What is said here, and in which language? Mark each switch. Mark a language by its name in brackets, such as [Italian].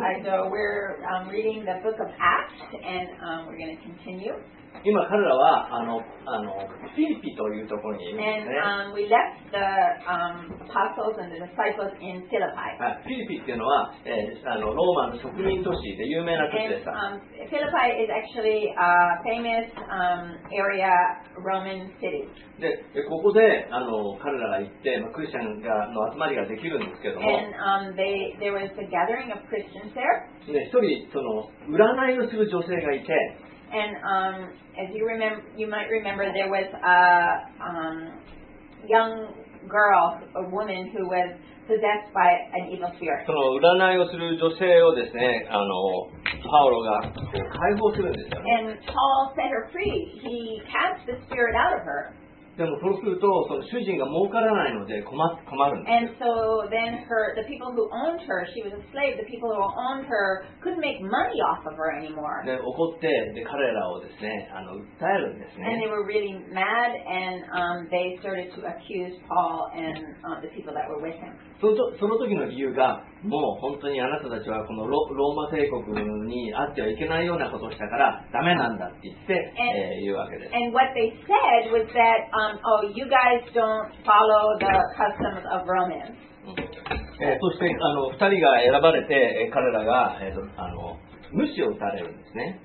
[English] Reading the book of Acts, and we're going to continue. [Japanese] 今彼らはあのフィリピというところにいますね。 [English] And we left the apostles and the disciples in Philippi. [Japanese] はい、フィリピっていうのは、ローマの植民都市で有名な都市でした。 [English] And Philippi is actually a famous area Roman city. [Japanese] でここで彼らが行って、まあ、クリスチャンがの集まりができるんですけども。 [English] And there was a gathering of Christians there. [Japanese] で一人その占いをする女性がいて。 [English] And as you remember, you might remember there was a young girl, a woman who was possessed by an evil spirit. [Japanese] その占いをする女性をですね、パウロが解放するんですよ。 [English] And Paul set her free. He cast the spirit out of her. [Japanese] でもそうするとその主人が儲からないので困るんです。 [English] And so then the people who owned her, she was a slave. The people who owned her couldn't make money off of her anymore. [Japanese] で怒ってで彼らをですね訴えるんですね。 [English] And they were really mad, and they started to accuse Paul and the people that were with him. [Japanese] その時の理由がもう本当にあなたたちはこの ローマ帝国にあってはいけないようなことをしたからダメなんだって言って言うわけです。 [English] And what they said was that, you guys don't follow the customs of Romans. [Japanese] そして二人が選ばれて彼らが無視を打たれるんですね。